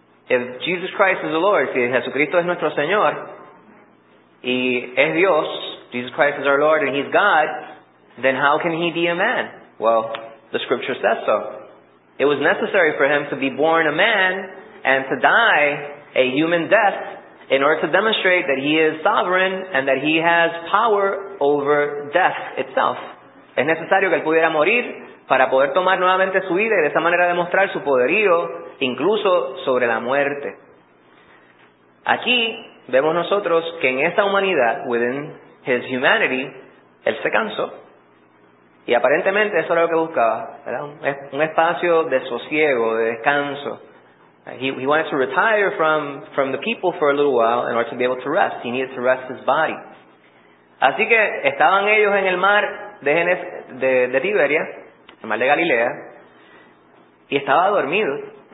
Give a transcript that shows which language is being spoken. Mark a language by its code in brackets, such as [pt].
[en] If Jesus Christ is the Lord, [es] si Jesucristo es nuestro Señor, y es Dios, [en] Jesus Christ is our Lord, and He's God, then how can He be a man? Well, the scripture says so. It was necessary for Him to be born a man and to die a human death in order to demonstrate that he is sovereign and that he has power over death itself. [es] Es necesario que él pudiera morir para poder tomar nuevamente su vida y de esa manera demostrar su poderío incluso sobre la muerte. Aquí vemos nosotros que en esta humanidad, [en] within his humanity, [es] él se cansó. Y aparentemente eso era lo que buscaba, ¿verdad? Un espacio de sosiego, de descanso. [en] He wanted to retire from the people for a little while in order to be able to rest. He needed to rest his body. [es] Así que estaban ellos en el mar de Tiberia, el mar de Galilea, y estaba dormido.